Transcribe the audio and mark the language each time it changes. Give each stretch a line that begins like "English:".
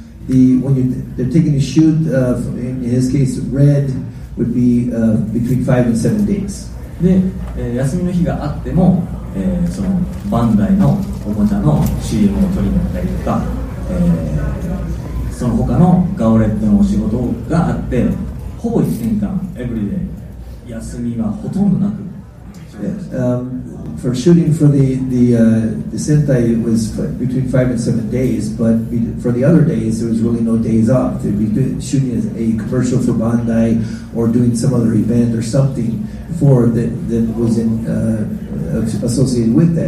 English: When they're taking a shoot, in his case, Red would be between 5 and 7 days.
Japanese: で、休みの日があっても、そのバンダイのおもちゃの CM を撮りに行ったりとか、その他のガオレッドのお仕事があって、ほぼ1年間、エブリデイ、休みはほとんどなく。
English: Yeah. for shooting for the Sentai, it was between 5 and 7 days, but for the other days, there was really no days off. They'd be shooting as a commercial for Bandai or doing some other event or something for that, that was in associated with that.